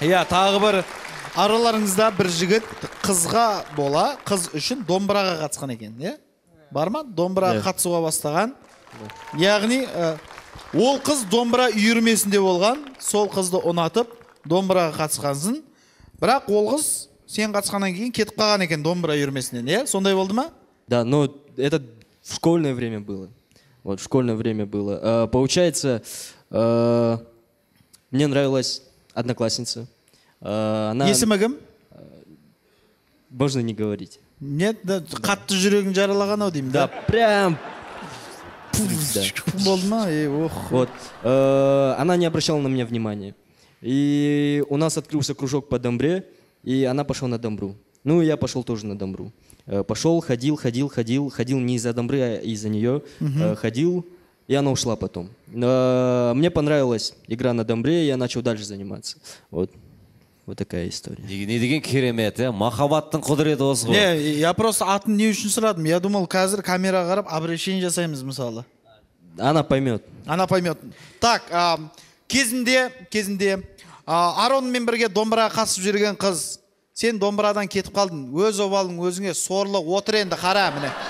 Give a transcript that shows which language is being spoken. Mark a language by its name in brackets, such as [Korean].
[Kazakh] Тағы бір араларыңызда бір жігіт қызға бола, қыз үшін домбыраға қатысқан екен. Бар ма? Домбыраға қатысуға бастаған. Яғни ол қыз домбыра үйірмесінде болған, сол қызды ұнатып домбыраға қатысқансын, бірақ ол қыз сен қатысқаннан кейін кетіп қалған екен домбыра үйірмесінен, сондай болды ма? [Russian] Да, но это в школьное время было. Вот в школьное время было. Получается, мне нравилась одноклассница. Она... [Kazakh] Есімі кім? [Russian] Можно не говорить. Нет, да, [Kazakh] қатты жүрегін жаралаған ау деймін. [Russian] Да, прям... [Kazakh] Болды ма? Ох. [Russian] Вот. Она не обращала на меня внимания. И у нас открылся кружок по домбре, и она пошла на домбру. Ну, и я пошел тоже на домбру. Пошел, ходил, ходил, ходил, ходил не из-за домбры, а из-за нее. Ходил, и она ушла потом. Мне понравилась игра на домбре, и я начал дальше заниматься. Вот. Вот такая история. [Kazakh] Не деген керемет, махаббаттың құдіреті осы ғой. Не, [Russian] я просто [Kazakh] атын не үшін сұрадым. [Russian] Я думал, [Kazakh] қазір камераға қарап, обращение жасаймыз мысалы. [Russian] Она поймет. Она поймет. Так, [Kazakh] Кезінде, Аронмен бірге домбыраға қасып жүрген қыз, сен домбырадан кетіп қалдың, өз обалың өзіңе сорлы отыр енді, қара, міне.